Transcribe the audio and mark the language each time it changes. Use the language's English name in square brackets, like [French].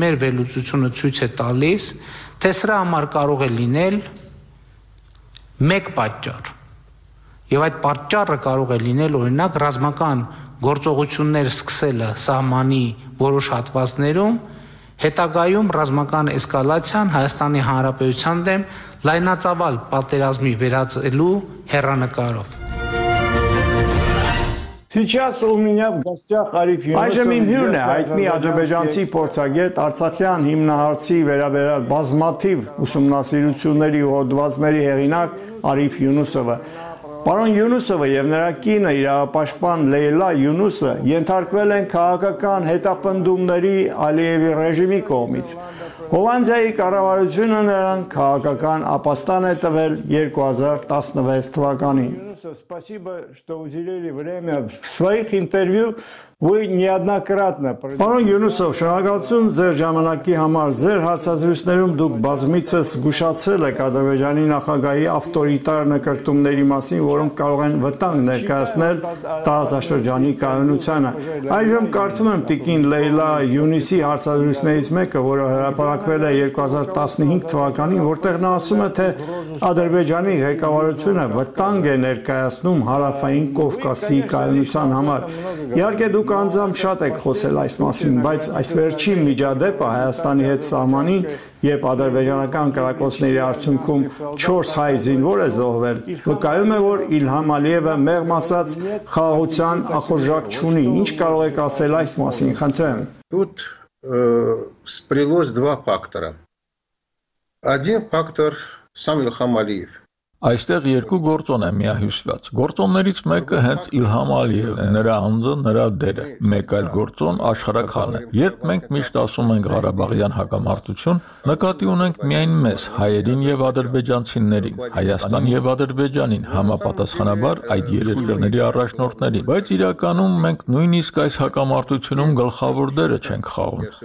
[Armenian] Մեր վերլուծությունը ցույց է տալիս, թե սրա համար կարող է լինել մեկ պատճառ, և այդ պատճառը կարող է լինել, օրինակ, ռազմական գործողություններ սկսելը սահմանի որոշ հատվածներում, հետագայում ռազմական էսկալացիան Հայաստանի Հանրապետության դեմ լայնածավալ պատերազմի վերածելու հեռանկարով։ [Russian] Сейчас у меня в гостях Ариф Юнусов. [Armenian] Այժմ իմ հյուրն է հայտնի ադրբեջանցի փորձագետ, արցախյան հիմնահարցի վերաբերյալ բազմաթիվ ուսումնասիրությունների ու հոդվածների հեղինակ Ариф Юнусова. Պարոն Юнусова եւ նրա կինը իրապաշտպան Լեյլա Юнуսը ենթարկվել են քաղաքական հետապնդումների Ալիևի ռեժիմի կողմից։ Հոլանդիայի կառավարությունը նրան քաղաքական ապաստան է տվել 2016 թվականին։ [Russian] Спасибо, что уделили время в своих интервью. Вы неоднократно. [Armenian] Պարոն Юнусов, շնորհակալություն ձեր ժամանակի համար։ Ձեր հարցազրույցներում դուք բազմիցս զգուշացել եք Ադրբեջանի նախագահի ավտորիտար նկարտումների մասին, որոնք կարող են վտանգ ներկայացնել տարածաշրջանի կայունությանը։ Այժմ կարդում եմ տիկին Լեյլա Յունիսի հարցազրույցներից մեկը, որը հրապարակվել է 2015 թվականին, որտեղ նա ասում է, թե Ադրբեջանի ղեկավարությունը վտանգ է ներկայացնում հարավային Կովկասի կայունության համար։ Իհարկե դուք անձամբ շատ եք խոսել այս մասին, բայց այս վերջին միջադեպը Հայաստանի հետ սահմանին, երբ ադրբեջանական կրակոցների արդյունքում 4 հայ զինվոր է զոհվել, վկայում է, որ Իլհամ Ալիևը մեղմ ասած խաղաղության ախորժակ չունի։ Ինչ կարող եք ասել այս մասին, խնդրեմ։ [Russian] Тут сплелось два фактора. Один фактор сам Իլհամ Ալիև. [Armenian] Այստեղ երկու գործոն է միահյուսված։ Գործոններից մեկը հենց Իլհամ Ալիևն է, նրա անձը, նրա դերը։ Մեկ այլ գործոն աշխարհականը։ Երբ մենք միշտ ասում ենք Ղարաբաղյան հակամարտություն, նկատի ունենք միայն մեզ, հայերին եւ ադրբեջանցիներին, Հայաստան եւ Ադրբեջանին, համապատասխանաբար այդ երկրների առաջնորդներին, բայց իրականում մենք նույնիսկ այս հակամարտությունում գլխավոր դերը չենք խաղում։